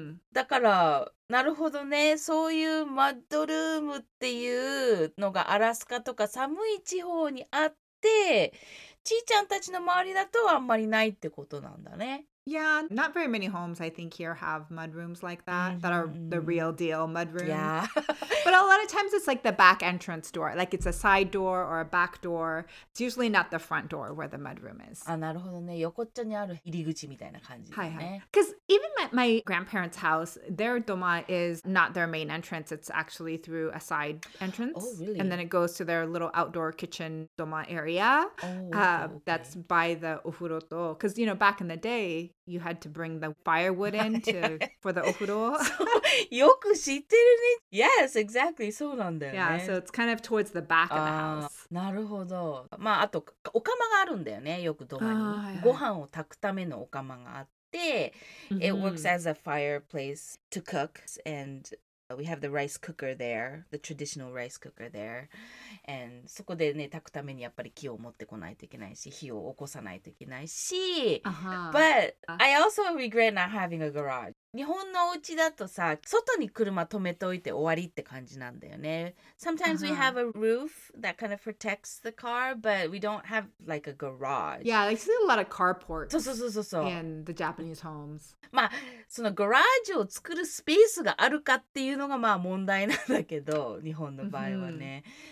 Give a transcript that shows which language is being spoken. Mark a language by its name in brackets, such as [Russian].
[Japanese] だからなるほどね、そういうマッドルームっていうのがアラスカとか寒い地方にあって、ちーちゃんたちの周りだとあんまりないってことなんだね。 [English] Yeah, not very many homes, I think, here have mudrooms like that, that are the real deal mudrooms. Yeah. But a lot of times it's like the back entrance door, like it's a side door or a back door. It's usually not the front door where the mudroom is. [Japanese] あ、なるほどね。横っちょにある入り口みたいな感じだね。はいはい。 [English] Because even my grandparents' house, their doma is not their main entrance. It's actually through a side entrance. Oh, really? And then it goes to their little outdoor kitchen doma area. Oh, okay, okay. That's by the ofuro to. Because, you know, back in the day,You had to bring the firewood in to, for the ofuro. [Japanese] よく知ってるね。 [English] Yes, exactly. [Japanese] そうなんだよね。 [English] Yeah, so it's kind of towards the back of the house. [Japanese] なるほど。まあ、あと、お釜があるんだよね。よくドアに。ご飯を炊くためのお釜があって、 [English] It works as a fireplace to cook. And we have the rice cooker there, the traditional rice cooker there. [Japanese] And そこでね、炊くためにやっぱり木を持ってこないといけないし、火を起こさないといけないし。 [English] But I also regret not having a garage. [Japanese] 日本のお家だとさ、外に車止めといて終わりって感じなんだよね。 [English] Sometimes we have a roof that kind of protects the car, but we don't have like a garage. Yeah, I see a lot of carports. [Japanese] そうそうそうそうそう。 [English] In the Japanese homes. [Japanese] まあ、そのガラージを作るスペースがあるかっていうのがまあ問題なんだけど、日本の場合はね。